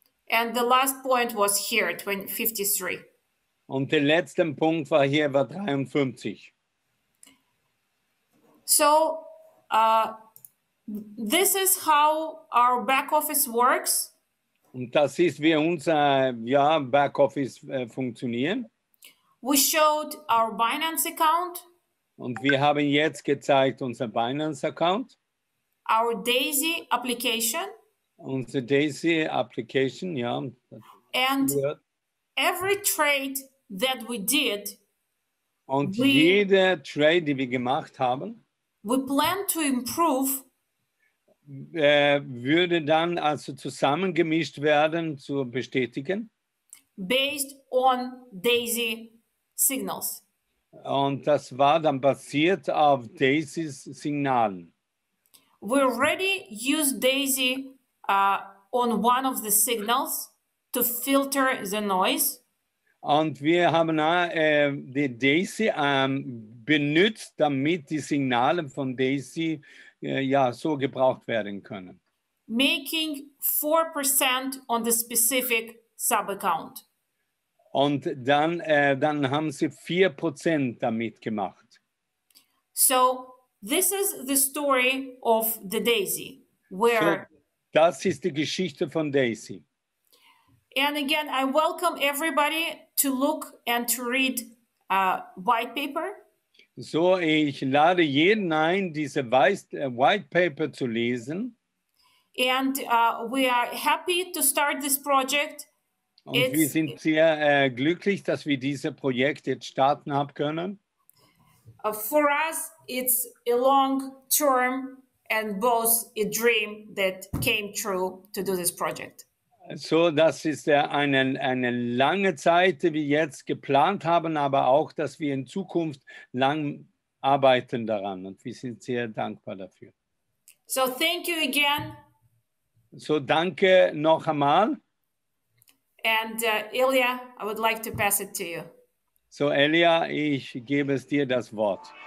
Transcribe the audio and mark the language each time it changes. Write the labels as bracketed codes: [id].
[en] And the last point was here, 53. [de] Und der letzte Punkt war hier bei 53. [en] So this is how our back office works. [de] Und das ist, wie unser back office funktionieren. [en] We showed our Binance account. [de] Und wir haben jetzt gezeigt unser Binance account. [en] Our Daisy application. [de] Unsere Daisy application, ja. [en] And every trade that we did. [de] Und jede Trade, die wir gemacht haben. [en] We plan to improve. [de] Würde dann also zusammengemischt werden zu bestätigen. [en] Based on Daisy signals. [de] Und das war dann basiert auf Daisys Signalen. [en] We already used Daisy on one of the signals to filter the noise. [de] Und wir haben die Daisy benutzt, damit die Signale von Daisy so gebraucht werden können. [en] Making 4% on the specific sub-account. [de] Und dann, dann haben sie 4% damit gemacht. [en] So, this is the story of the Daisy. Where so, [de] das ist die Geschichte von Daisy. [en] And again, I welcome everybody to look and to read white paper. [de] So, ich lade jeden ein, diese white paper zu lesen. [en] And we are happy to start this project. [de] Und it's, wir sind sehr glücklich, dass wir dieses Projekt jetzt starten haben können. [en] For us, it's a long term and both a dream that came true to do this project. [de] So, das ist eine lange Zeit, die wir jetzt geplant haben, aber auch, dass wir in Zukunft lang arbeiten daran. Und wir sind sehr dankbar dafür. [en] So, thank you again. [de] So, danke noch einmal. [en] And Ilya, I would like to pass it to you. [de] So, Ilya, ich gebe es dir das Wort.